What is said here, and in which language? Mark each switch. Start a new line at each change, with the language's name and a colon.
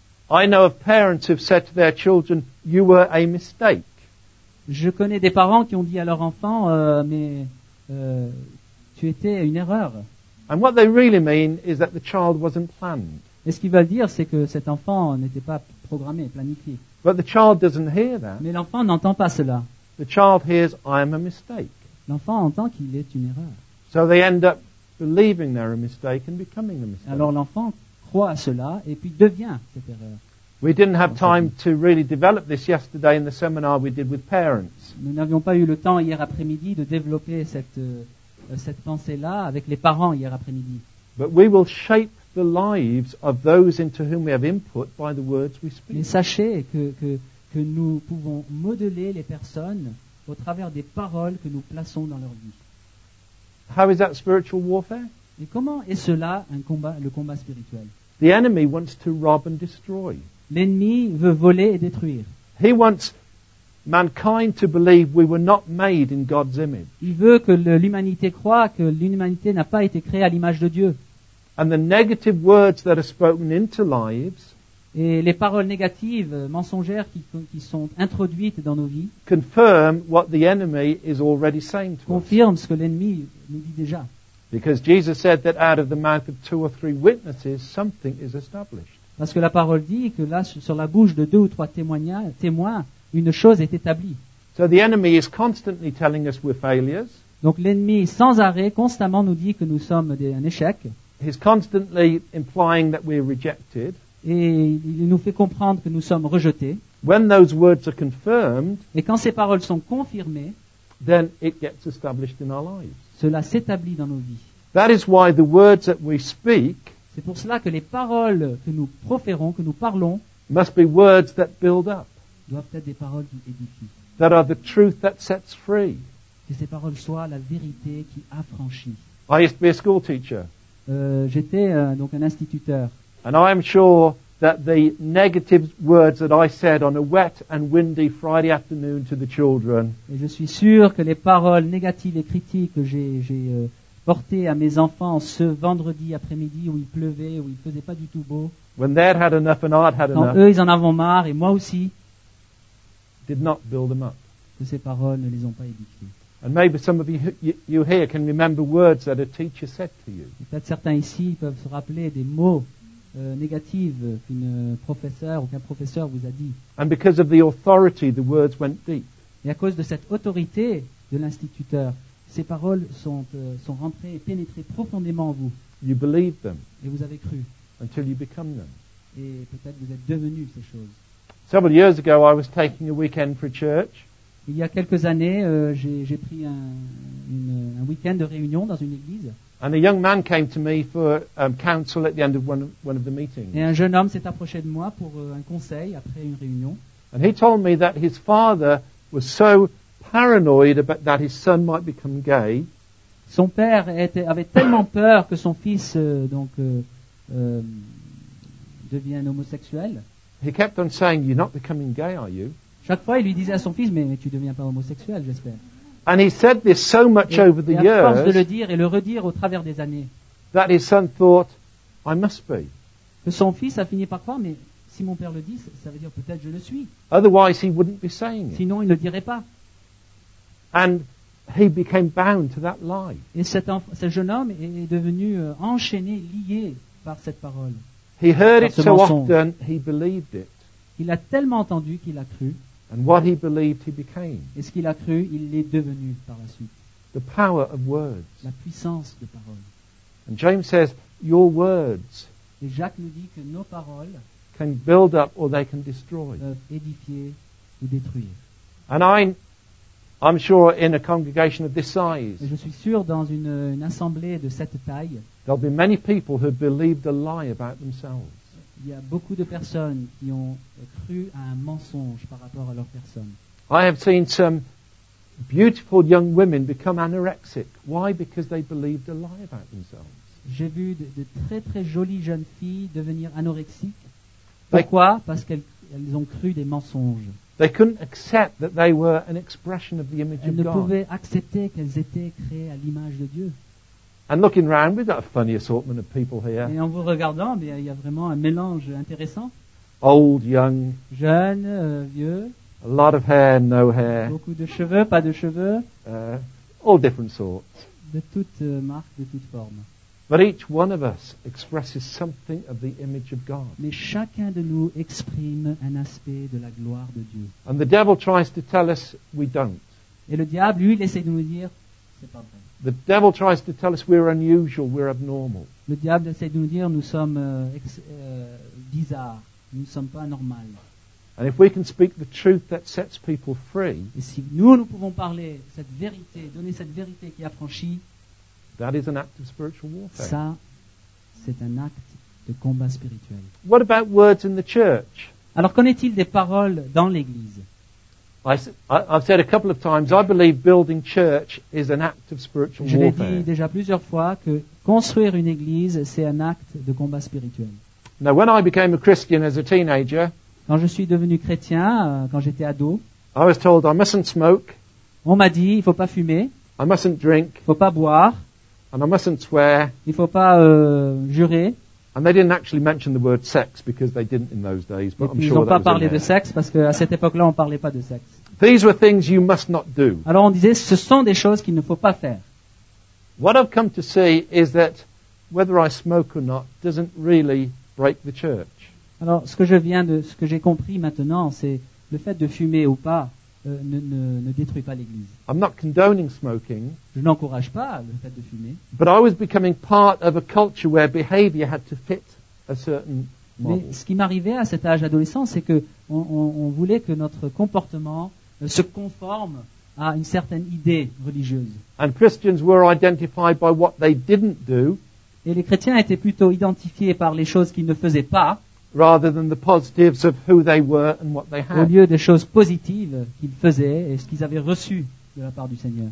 English: I know of parents who've said to their children, "You were a mistake."
French: Je connais des parents qui ont dit à leur enfant, mais tu étais une erreur.
English: And what they really mean is that the child wasn't planned.
French: Et ce qu'ils veulent dire, c'est que cet enfant n'était pas programmé, planifié.
English: But the child doesn't hear that.
French: Mais l'enfant n'entend pas cela.
English: The child hears, "I am a mistake."
French: L'enfant entend qu'il est une erreur.
English: So they end up believing they're a mistake and becoming a mistake.
French: Alors l'enfant croit à cela et puis devient cette erreur.
English: We didn't have time to really develop this yesterday in the seminar we did with parents.
French: Nous n'avions pas eu le temps hier après-midi de développer cette pensée-là avec les parents hier après-midi.
English: But we will shape the lives of those into whom we have input by the words we speak.
French: Mais sachez que nous pouvons modeler les personnes au travers des paroles que nous plaçons dans leur vie.
English: How is that spiritual warfare?
French: Et comment est cela le combat spirituel?
English: The enemy wants to rob and destroy.
French: L'ennemi veut voler et détruire.
English: He wants mankind to believe we were not made in God's image.
French: Il veut que l'humanité croie que l'humanité n'a pas été créée à l'image de Dieu.
English: And the negative words that are spoken into lives.
French: Et les paroles négatives, mensongères qui sont introduites dans nos vies.
English: Confirm what the enemy is already saying to us.
French: Confirme ce que l'ennemi nous dit déjà.
English: Because Jesus said that out of the mouth of two or three witnesses, something is established.
French: Parce que la parole dit que là, sur la bouche de deux ou trois témoins, une chose est établie.
English: So the enemy is constantly telling us we're failures.
French: Donc l'ennemi, sans arrêt, constamment nous dit que nous sommes un échec.
English: He's constantly implying that we're rejected.
French: Et il nous fait comprendre que nous sommes rejetés.
English: When those words are confirmed,
French: et quand ces paroles sont confirmées,
English: then it gets established in our lives.
French: Cela s'établit dans nos vies.
English: That is why the words that we speak,
French: c'est pour cela que les paroles que nous proférons, que nous parlons,
English: must be words that build up,
French: doivent être des paroles qui édifient.
English: That are the truth that sets free.
French: Que ces paroles soient la vérité qui affranchit.
English: I used to be a school teacher.
French: J'étais donc un instituteur.
English: And I am sure that the negative words that I said on a wet and windy Friday afternoon to the children.
French: Et je suis sûr que les paroles négatives et critiques que j'ai portées à mes enfants ce vendredi après-midi où il pleuvait, où il faisait pas du tout beau.
English: When they had enough and I had enough.
French: Quand eux ils en avaient marre et moi aussi.
English: Did not build them up.
French: Que ces paroles ne les ont pas édifiées.
English: And maybe some of you here can remember words that a teacher said to you.
French: Peut-être certains ici peuvent se rappeler des mots négative qu'une professeur ou qu'un professeur vous a dit.
English: And because of the authority, the words went deep.
French: Et à cause de cette autorité de l'instituteur, ces paroles sont rentrées et pénétrées profondément en vous.
English: You believed them.
French: Et vous avez cru.
English: Until you become them.
French: Et peut-être vous êtes devenu ces choses.
English: Several years ago, I was taking a weekend for church.
French: Il y a quelques années, j'ai pris un week-end de réunion dans une église.
English: And a young man came to me for counsel at the end of one of the meetings.
French: Et un jeune homme s'est approché de moi pour un conseil après une réunion.
English: And he told me that his father was so paranoid about that his son might become gay.
French: Son père avait tellement peur que son fils devienne homosexuel.
English: He kept on saying, "You're not becoming gay, are you?"
French: Chaque fois, il lui disait à son fils, "Mais tu ne deviens pas homosexuel, j'espère."
English: And he said this so much over the years.
French: Et à force de le dire et le redire au travers des années.
English: That his son thought, "I must be."
French: Que son fils a fini par croire, mais si mon père le dit, ça veut dire peut-être je le suis.
English: Otherwise, he wouldn't be saying it.
French: Sinon, il ne dirait pas.
English: And he became bound to that lie.
French: Et ce jeune homme est devenu enchaîné, lié par cette parole.
English: He heard it so often, he believed it.
French: Il a tellement entendu qu'il a cru.
English: And what he believed, he became.
French: Et ce qu'il a cru, il l'est devenu par la suite.
English: The power of words.
French: La puissance de paroles.
English: And James says, your words.
French: Et Jacques nous dit que nos paroles.
English: Can build up or they can destroy.
French: Peuvent édifier ou détruire.
English: And I'm sure in a congregation of this size.
French: Et je suis sûr dans une assemblée de cette taille.
English: There'll be many people who believed a lie about themselves.
French: Il y a beaucoup de personnes qui ont cru à un mensonge par rapport à leur personne.
English: I have seen some beautiful young women become anorexic. Why? Because they believed a lie about themselves.
French: J'ai vu de très très jolies jeunes filles devenir anorexiques. Pourquoi? Parce qu'elles ont cru des mensonges.
English: They couldn't accept that they were an expression of the image of God.
French: Elles ne pouvaient accepter qu'elles étaient créées à l'image de Dieu.
English: And looking around, we've got a funny assortment of people here.
French: Et en vous regardant, mais il y a vraiment un mélange intéressant.
English: Old, young.
French: Jeune, vieux.
English: A lot of hair, no hair.
French: Beaucoup de cheveux, pas de cheveux.
English: All different sorts.
French: De toutes marques, de toutes formes.
English: But each one of us expresses something of the image of God.
French: Mais chacun de nous exprime un aspect de la gloire de Dieu.
English: And the devil tries to tell us we don't.
French: Et le diable, lui, il essaie de nous dire, c'est pas vrai.
English: The devil tries to tell us we're unusual, we're abnormal.
French: Le diable essaie de nous dire nous sommes bizarres, nous ne sommes pas normaux.
English: And if we can speak the truth that sets people free,
French: et si nous pouvons parler cette vérité, donner cette vérité qui affranchit,
English: that is an act of spiritual warfare.
French: Ça, c'est un acte de combat spirituel.
English: What about words in the church?
French: Alors qu'en est-il des paroles dans l'église?
English: I've said a couple of times, I believe building church is an act of spiritual warfare.
French: Je l'ai dit déjà plusieurs fois que construire une église, c'est un acte de combat spirituel.
English: Now, when I became a Christian as a teenager,
French: quand je suis devenu chrétien, quand j'étais ado,
English: I was told I mustn't smoke.
French: On m'a dit il faut pas fumer.
English: I mustn't drink.
French: Il faut pas boire.
English: And I mustn't swear.
French: Il faut pas jurer.
English: And they didn't actually mention the word sex because they didn't in those days, but
French: et
English: I'm sure
French: ils ont
English: that
French: pas parlé de sexe parce que à cette époque-là on parlait pas de sexe.
English: These were things you must not do.
French: Alors on disait ce sont des choses qu'il ne faut pas faire.
English: What I've come to see is that whether I smoke or not doesn't really break the church.
French: Alors ce que je viens de ce que j'ai compris maintenant c'est le fait de fumer ou pas ne détruit pas l'église.
English: I'm not condoning smoking.
French: Je n'encourage pas le fait de fumer.
English: But I was becoming part of a culture where behavior had to fit a certain model.
French: Mais ce qui m'arrivait à cet âge adolescent, c'est que on voulait que notre comportement se conforme à une certaine idée religieuse.
English: And Christians were identified by what they didn't do.
French: Et les chrétiens étaient plutôt identifiés par les choses qu'ils ne faisaient pas.
English: Rather than the positives of who they were and what they had.
French: Au lieu des choses positives qu'ils faisaient et ce qu'ils avaient reçu de la part du Seigneur.